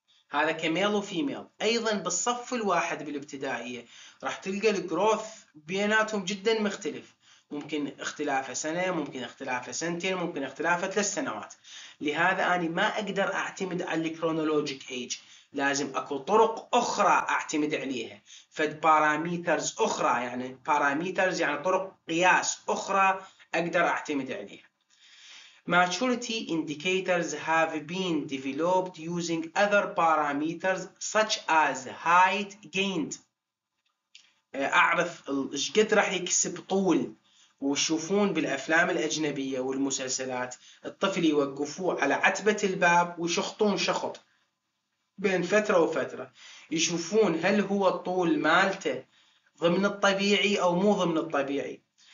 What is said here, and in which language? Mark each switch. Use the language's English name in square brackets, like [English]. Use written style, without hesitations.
[Arabic] هذا كميل وفيميل. ايضا بالصف الواحد بالابتدائيه راح تلقى الجروث بيناتهم جدا مختلف، ممكن اختلافه سنه، ممكن اختلافه سنتين، ممكن اختلافه 3 سنوات. لهذا انا ما اقدر اعتمد على الكرونولوجيك ايج، لازم اكو طرق اخرى اعتمد عليها، فد باراميترز اخرى، يعني باراميترز يعني طرق قياس اخرى اقدر اعتمد عليها. [English] Maturity indicators have been developed using other parameters such as height gained. [Arabic] أعرف إيش قد راح يكسب طول، وشوفون بالأفلام الأجنبية والمسلسلات الطفل يوقفوه على عتبة الباب ويشخطون شخط بين فترة وفترة، يشوفون هل هو الطول مالته ضمن الطبيعي أو مو ضمن الطبيعي.